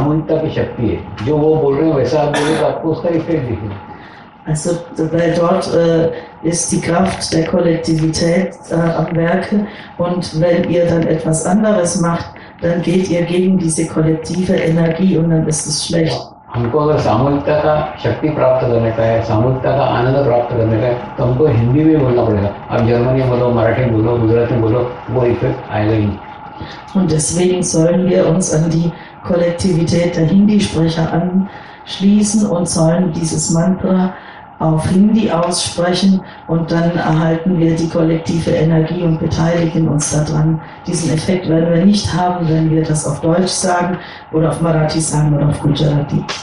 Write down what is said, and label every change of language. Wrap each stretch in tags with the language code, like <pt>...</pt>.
<de>machen. Also, weil dort ist die Kraft der Kollektivität am Werke und wenn ihr dann etwas anderes macht, dann geht ihr gegen diese kollektive Energie und dann ist es schlecht.</de> <hi>हमको अगर सामूहिकता का शक्ति प्राप्त करने का है सामूहिकता का आनंद प्राप्त करने का है तो हमको हिंदी में बोलना पड़ेगा अब जर्मनी में बोलो मराठी में बोलो गुजराती में बोलो वो इफेक्ट आएगा ही</hi> <de>und deswegen sollen wir uns an die Kollektivität der Hindi-Sprecher anschließen und sollen dieses Mantra auf Hindi aussprechen und dann erhalten wir die kollektive Energie und beteiligen uns daran. Diesen Effekt werden wir nicht haben, wenn wir das auf Deutsch sagen oder auf Marathi sagen oder auf Gujarati.</de>